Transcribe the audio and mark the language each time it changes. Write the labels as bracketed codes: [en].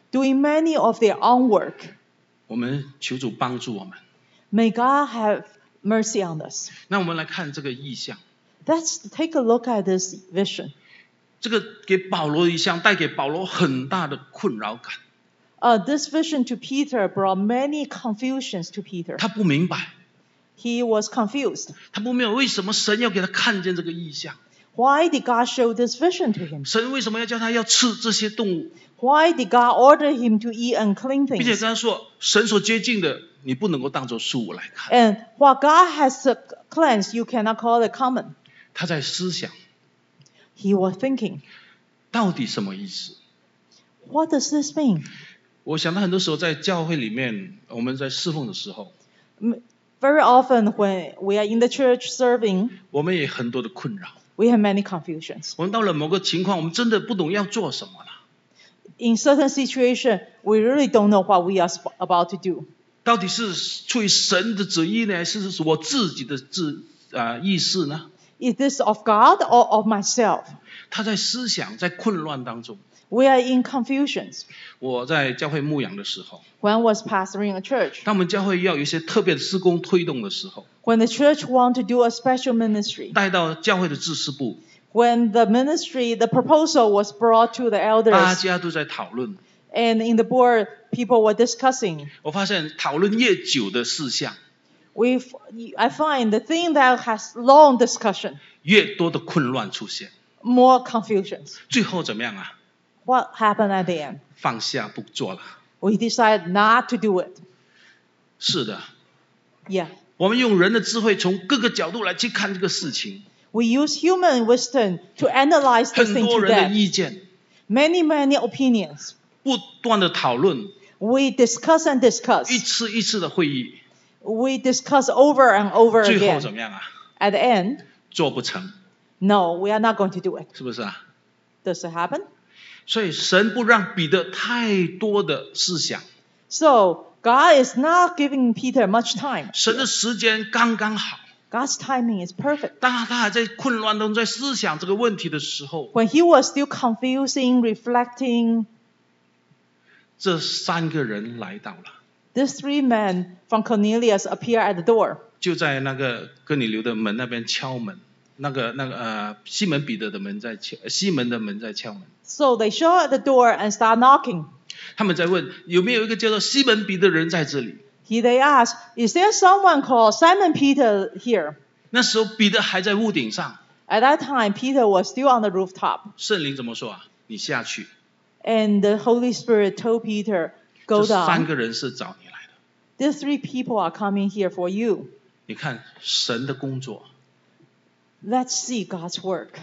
[en] Doing many of their own work. [zh] 我们求主帮助我们。 [en] May God have mercy on us. [zh] 那我们来看这个意象。 [en] Let's take a look at this vision. [zh] 这个给保罗的意象带给保罗很大的困扰感。 [en] This vision to Peter brought many confusions to Peter. [zh] 他不明白。 [en] He was confused. [zh] 他不明白为什么神要给他看见这个意象。 [en] Why did God show this vision to him? [zh] 神为什么要叫他要吃这些动物？ [en] Why did God order him to eat unclean things? [zh] 并且跟他说，神所接近的，你不能够当作事物来看。 [en] And what God has cleansed, you cannot call it common. [zh] 他在思想。 [en] He was thinking. [zh] 到底什么意思？ [en] What does this mean? [zh] 我想到很多时候在教会里面，我们在侍奉的时候。 [en] Very often when we are in the church serving. [zh] 我们也很多的困扰。 [en] We have many confusions. [zh] 我们到了某个情况，我们真的不懂要做什么了。 [en] In certain situation, we really don't know what we are about to do. [zh] 到底是出于神的旨意呢，是我自己的意思呢？ [en] Is this of God or of myself? [zh] 他在思想，在混乱当中。 [en] We are in confusions. [zh] 我在教会牧养的时候。 [en] When was pastoring a church? [zh] 当我们教会要有一些特别的事工推动的时候。 [en] When the church want to do a special ministry. [zh] 带到教会的执事部。 [en] When the ministry, the proposal was brought to the elders. [zh] 大家都在讨论。 [en] And in the board, people were discussing. [zh] 我发现讨论越久的事项。 [en] I find the thing that has long discussion. [zh] 越多的混乱出现。 [en] More confusions. [zh] 最后怎么样啊？ [en] What happened at the end? [zh] 放下不做了。 [en] We decided not to do it. [zh] 是的。 [en] Yeah. [zh] 我们用人的智慧从各个角度来去看这个事情。 [en] We use human wisdom to analyze this thing to death. [zh] 很多人的意见。 [en] Many, many opinions. [zh] 不断的讨论。 [en] We discuss and discuss. [zh] 一次一次的会议。 [en] We discuss over and over again. [zh] 最后怎么样啊？ [en] At the end. [zh] 做不成。 [en] No, we are not going to do it. [zh] 是不是啊？ [en] Does it happen? [zh] 所以神不让彼得太多的思想。 [en] So God is not giving Peter much time. [zh] 神的时间刚刚好。 [en] God's timing is perfect. [zh] 当他还在混乱中，在思想这个问题的时候。 [en] When he was still confusing, reflecting. [zh] 这三个人来到了。 [en] These three men from Cornelius appear at the door. [zh] 就在那个哥尼流的门那边敲门。西门彼得的门在敲，西门的门在敲门。 [en] So they show at the door and start knocking. [zh] 他们在问有没有一个叫做西门彼得的人在这里。 [en] He they ask, is there someone called Simon Peter here? [zh] 那时候彼得还在屋顶上。 [en] At that time, Peter was still on the rooftop. [zh] 圣灵怎么说啊？你下去。 [en] And the Holy Spirit told Peter, go down. [zh] 这三个人是找你来的。 [en] These three people are coming here for you. [zh] 你看神的工作。 [en] Let's see God's work.